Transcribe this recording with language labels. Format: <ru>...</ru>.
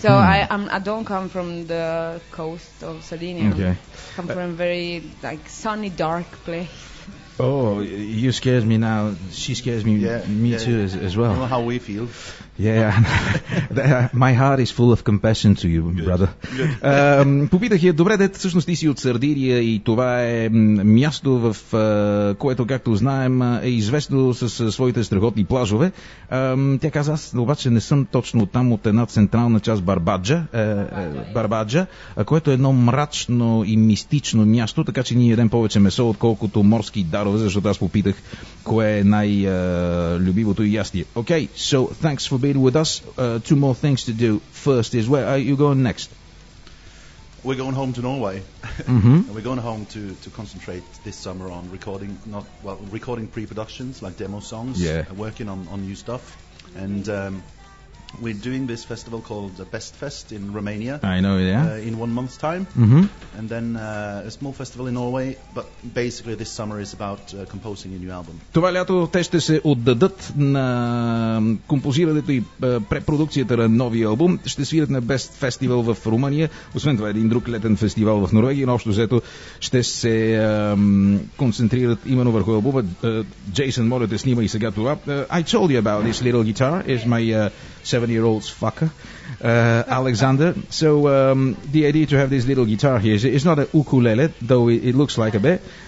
<en>So I don't come from the coast of Sardinia. Okay. I come from a very like sunny, dark place. Oh, you scares me now. She scares me. Me too, as well. You know how we feel. Yeah. My heart is full of compassion to you, brother.</en> <bg>Попитах я, добре, дете, всъщност ти си от Сърдирия и това е място, в което, както знаем, е известно с своите страхотни плажове. Тя каза, аз обаче не съм точно там, от една централна част, Барбаджа. Барбаджа, което е едно мрачно и мистично място, така че ние едем повече месо, отколкото морски дарове, защото аз попитах кое е най-любимото ястие.</bg> <en>Okay, so thanks for being with us. Two more things to do. First is, where are you going next? We're going home to Norway. And we're going home to concentrate this summer on recording pre-productions, like demo songs, working on new stuff. And we're doing this festival called the Best Fest in Romania. I know, yeah. In 1 month's time. Mm-hmm. And then a small festival in Norway. But basically this summer is about composing a new album.</en> <bg>Това лято те ще се отдадат на композирането и препродукцията на новия албум. Ще свират на Best Festival в Румъния. Освен това, един друг летен фестивал в Норвегия. Но общо взето ще се концентрират именно върху албума. Jason, моля те, снимай сега това.</bg> <en>I told you about this little guitar. It's my... 7-year-old's fucker, Alexander. So the idea to have this little guitar here is—it's not a ukulele, though it looks like a bit.</en>